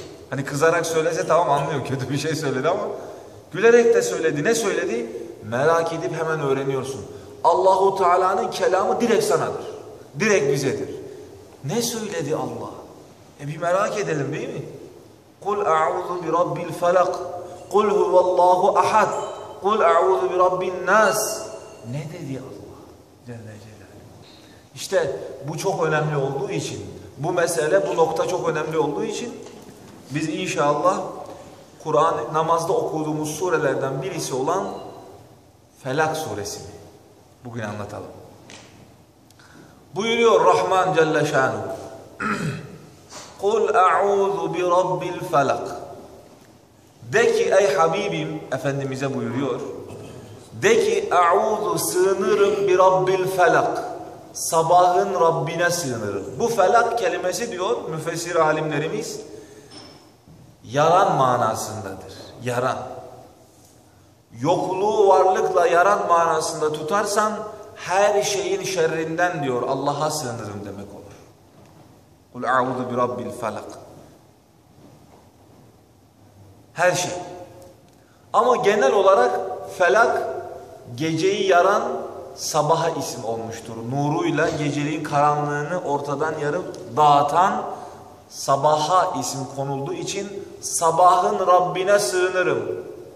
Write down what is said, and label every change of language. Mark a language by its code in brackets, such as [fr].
[tr] Hani kızarak söylese tamam anlıyor, kötü bir şey söyledi ama gülerek de söyledi. Ne söyledi? Merak edip hemen öğreniyorsun. Allah-u Teala'nın kelamı direkt sanadır. Direkt bizedir. Ne söyledi Allah? E bir merak edelim değil mi? [ar] قُلْ اَعُوذُ بِرَبِّ الْفَلَقِ قُلْ هُوَ اللّٰهُ اَحَدْ قُلْ اَعُوذُ بِرَبِّ النَّاسِ [tr] Ne dedi Allah Celle Celaluhu? İşte bu çok önemli olduğu için, bu mesele, bu nokta çok önemli olduğu için biz inşallah Kur'an namazda okuduğumuz surelerden birisi olan Felak suresini bugün anlatalım. Buyuruyor Rahman Celle Şanuhu. [ar] قُلْ اَعُوذُ بِرَبِّ الْفَلَقِ [tr] De ki ey Habibim, Efendimiz'e buyuruyor. De ki [ar] اَعُوذُ سِغْنِرُمْ بِرَبِّ الْفَلَقِ [tr] Sabahın Rabbine sığınırım. Bu felak kelimesi diyor müfessir alimlerimiz, yaran manasındadır. Yaran. Yokluğu varlıkla yaran manasında tutarsan her şeyin şerrinden diyor Allah'a sığınırım demek olur. [ar] قُلْ اَعُوذُ بِرَبِّ الْفَلَقِ [tr] Her şey. Ama genel olarak felak geceyi yaran sabaha isim olmuştur. Nuruyla geceliğin karanlığını ortadan yarıp dağıtan sabaha isim konulduğu için sabahın Rabbine sığınırım.